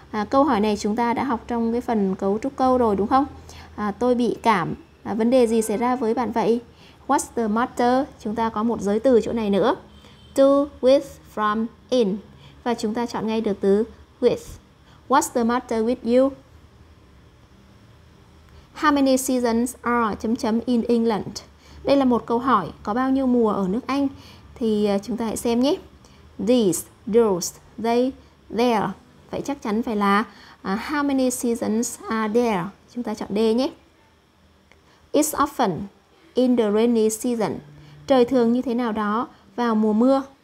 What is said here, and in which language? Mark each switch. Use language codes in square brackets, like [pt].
[vi] Câu hỏi này chúng ta đã học trong cái phần cấu trúc câu rồi đúng không? Tôi bị cảm. Vấn đề gì xảy ra với bạn vậy? [en] What's the matter? [vi] Chúng ta có một giới từ chỗ này nữa. To, with, from, in. Và chúng ta chọn ngay được từ with. [en] What's the matter with you? How many seasons are [vi] chấm chấm [en] in England? [vi] Đây là một câu hỏi, có bao nhiêu mùa ở nước Anh? Thì chúng ta hãy xem nhé. [en] These, those, they, there. [vi] Vậy chắc chắn phải là [en] how many seasons are there? [vi] Chúng ta chọn D nhé. [en] It's often in the rainy season. [vi] Trời thường như thế nào đó vào mùa mưa.